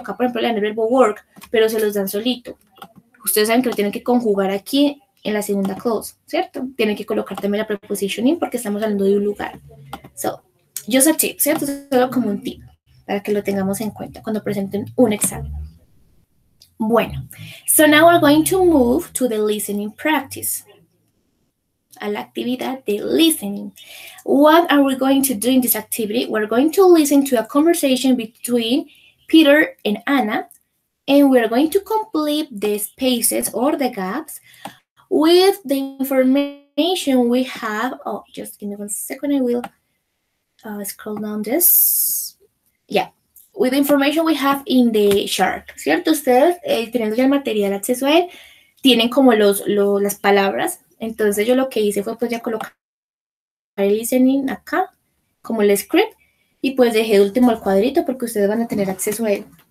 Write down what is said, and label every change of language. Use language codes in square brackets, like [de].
[es] Acá, por ejemplo, le dan el verbo work, pero se los dan solito. Ustedes saben que lo tienen que conjugar aquí, en la segunda clause, ¿cierto? Tienen que colocar también la preposición in porque estamos hablando de un lugar. [en] So, just a tip, [es] ¿cierto? Solo como un tip para que lo tengamos en cuenta cuando presenten un examen. Bueno, [en] so now we're going to move to the listening practice. [es] A la actividad de listening. [en] What are we going to do in this activity? We're going to listen to a conversation between Peter and Anna, and we're going to complete the spaces or the gaps with the information we have. Oh, just give me 1 second, I will scroll down this. Yeah, with the information we have in the chart, [es] ¿cierto? Ustedes, teniendo ya el material acceso a él, tienen como las palabras. Entonces, yo lo que hice fue, pues, ya colocar el listening acá, como el script, y pues dejé el último el cuadrito porque ustedes van a tener acceso a él.